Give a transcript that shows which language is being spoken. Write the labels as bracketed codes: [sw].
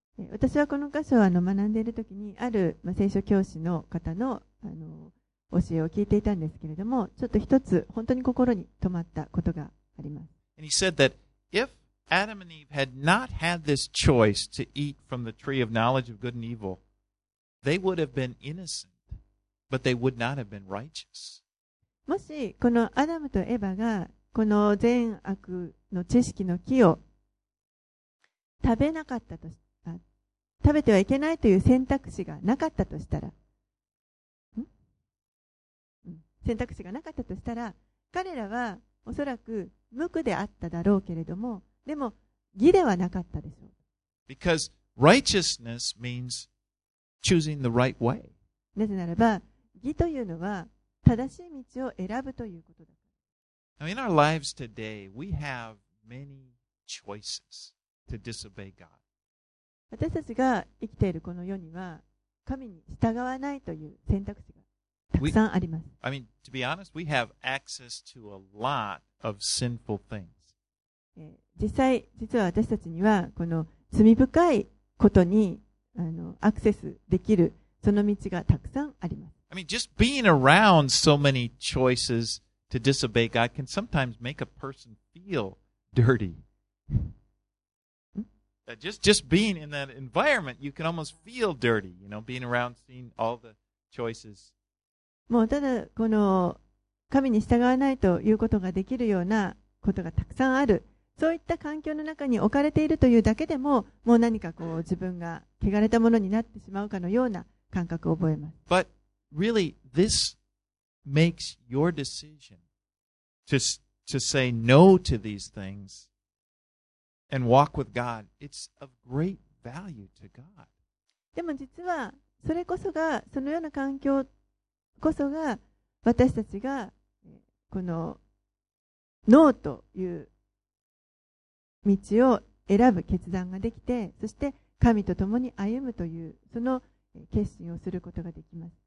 [ja] 私はこの箇所を学んでいるときに、ある聖書教師の方の教えを聞いていたんですけれども、ちょっと一つ本当に心に留まったことがあります。 [en] And he said that if Adam and Eve had not had this choice to eat from the tree of knowledge of good and evil, they would have been innocent, but they would not have been righteous. [ja] もしこのアダムとエヴァがこの善悪の知識の木を食べなかったと、食べてはいけないという選択肢がなかったとしたら、選択肢がなかったとしたら、彼らはおそらく無垢であっただろうけれども、でも義ではなかったでしょう。 [en] Because righteousness means choosing the right way. [ja] なぜならば、義というのは正しい道を選ぶということだ。 [en] Now, in our lives today, we have many choices to disobey God. [ja] 私たちが生きているこの世には、神に従わないという選択肢がたくさんあります。 [en] I mean, to be honest, we have access to a lot of sinful things. [ja] 実際、実は私たちには、この罪深いことにアクセスできる、その道がたくさんあります。 [en] I mean, just being around so many choices,To disobey God can sometimes make a person feel dirty. Just being in that environment, you can almost feel dirty. You know, being around, seeing all the choices. [ja] もうただこの神に従わないということができるようなことがたくさんある。そういった環境の中に置かれているというだけでも、もう何かこう自分が汚れたものになってしまうかのような感覚を覚えます。 [en] But really, this. Makes your decision to say no to these things and walk with God. It's of great value to God. [ja] でも実はそれこそがそのような環境こそが私たちがこのノーという道を選ぶ決断ができて、そして神と共に歩むというその決心をすることができます。